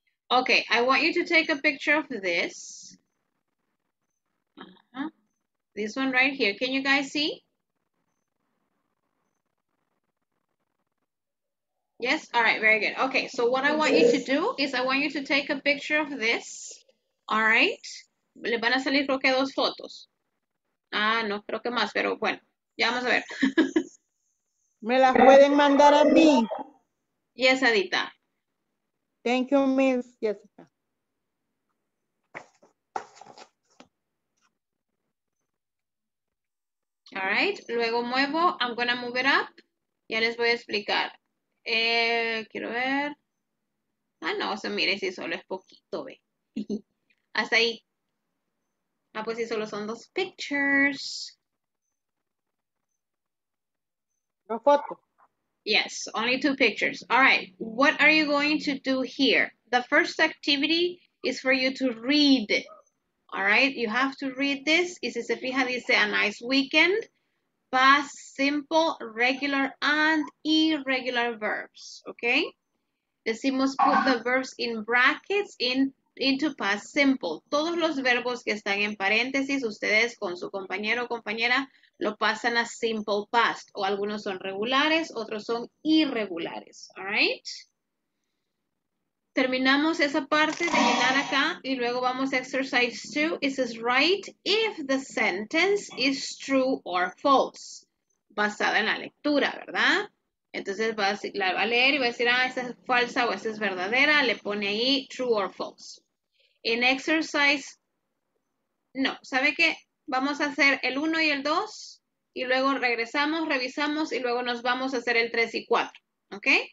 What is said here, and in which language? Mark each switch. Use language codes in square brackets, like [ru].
[en] Okay, I want you to take a picture of this. This one right here. Can you guys see? Yes? All right, very good. Okay, so what I want you to do is I want you to take a picture of this. All right. [es] Le van a salir creo que dos fotos. Ah, no creo que más, pero bueno, ya vamos a ver. ¿Me las pueden mandar a mí? [en] Yes, Adita. Thank you, Miss Jessica. All right. [es] Luego muevo. [en] I'm going to move it up. [es] Ya les voy a explicar. Quiero ver. Ah, no. O sea, mire, si solo es poquito, ve. Hasta ahí. Ah, pues sí, solo son dos pictures. No foto. [en] Yes, only two pictures. All right, what are you going to do here? The first activity is for you to read. All right, you have to read this. [es] Y si se fija, dice [en] a nice weekend. Past simple, regular, and irregular verbs. Okay? [es] Decimos [en] put the verbs in brackets into past simple. [es] Todos los verbos que están en paréntesis, ustedes con su compañero o compañera, lo pasan a simple past. O algunos son regulares, otros son irregulares. [en] All right? [es] Terminamos esa parte de llenar acá y luego vamos a exercise 2. [en] It says write if the sentence is true or false. [es] Basada en la lectura, ¿verdad? Entonces va a leer y va a decir, ah, esta es falsa o esta es verdadera. Le pone ahí [en] true or false. [es] En exercise, no, ¿sabe qué? Vamos a hacer el 1 y el 2 y luego regresamos, revisamos y luego nos vamos a hacer el 3 y 4, ¿ok?